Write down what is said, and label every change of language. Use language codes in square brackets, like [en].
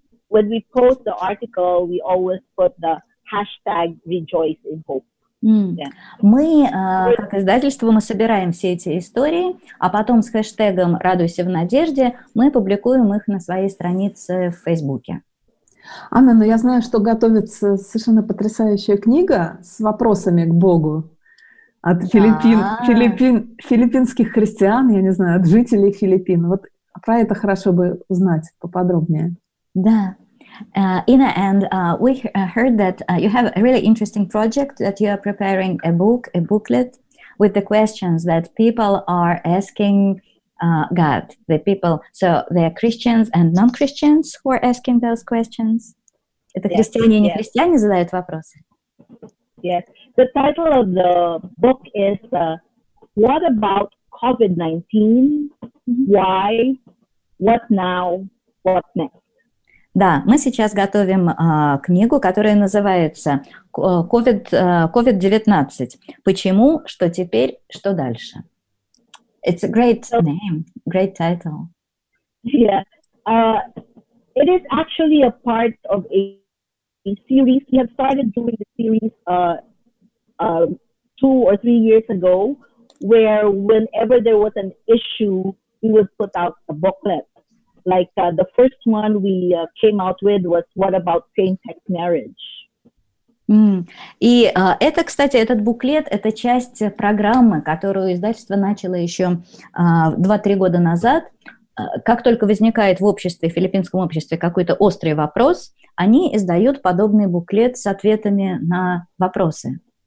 [en] When we post the article, we always put the hashtag Rejoice in Hope. Mm. Yeah. [ru] Мы, как издательство, мы собираем все эти истории, а потом с хэштегом «Радуйся в надежде» мы публикуем их на своей странице в Фейсбуке. Анна, я знаю, что готовится совершенно потрясающая книга с вопросами к Богу от филиппинских христиан, я не знаю, от жителей Филиппин. Вот про это хорошо бы узнать поподробнее. Да. [en] Inna, and we heard that you have a really interesting project, that you are preparing a book, a booklet, with the questions that people are asking God, the people. So they are Christians and non-Christians who are asking those questions. [ru] Это христиане и нехристиане задают вопросы? [en] Yes. The title of the book is What About COVID-19? Mm-hmm. Why? What now? What next? [ru] Да, мы сейчас готовим книгу, которая называется COVID-19. Почему, что теперь, что дальше? [en] It's a great name, great title. Yeah, it is actually a part of a series. We have started doing the series 2 or 3 years ago, where whenever there was an issue, we would put out a booklet. Like the first one we came out with was what about same-sex marriage? Mm. [ru] И это, кстати, этот буклет, это часть программы, которую издательство начало еще 2-3 года назад. Как только возникает в обществе, в филиппинском обществе, какой-то острый вопрос, они издают подобный буклет с ответами на вопросы.